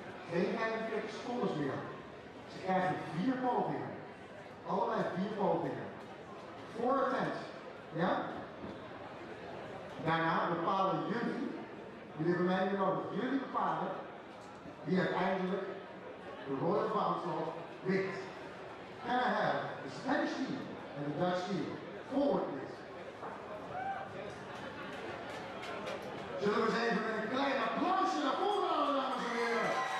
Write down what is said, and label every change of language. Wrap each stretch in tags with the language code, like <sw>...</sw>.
<nl>Geen 45 seconden meer. Ze krijgen 4 pogingen. Allebei 4 pogingen.</nl> <en>4 attempts.</en> <nl>Ja? Daarna bepalen jullie, jullie hebben mij hier nodig, jullie bepalen wie uiteindelijk de Royal Bouncer wint.</nl> <en>Can I have the Spanish team and the Dutch team forward, please?</en> <nl>Zullen we eens even met een klein applausje naar voren halen, dames en heren?</nl>